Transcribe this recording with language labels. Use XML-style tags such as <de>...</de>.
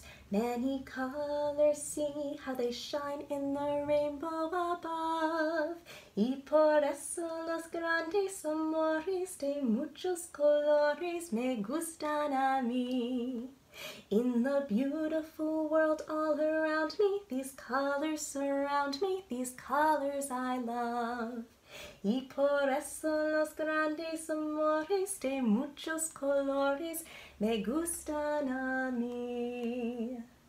<en>Many colors, see how they shine in the rainbow above.</en> <es>Y por eso los grandes amores de muchos colores me gustan a mí.</es> <en>In the beautiful world all around me, these colors surround me, these colors I love.</en> <es>Y por eso los grandes amores de muchos colores me gustan a mí.</es>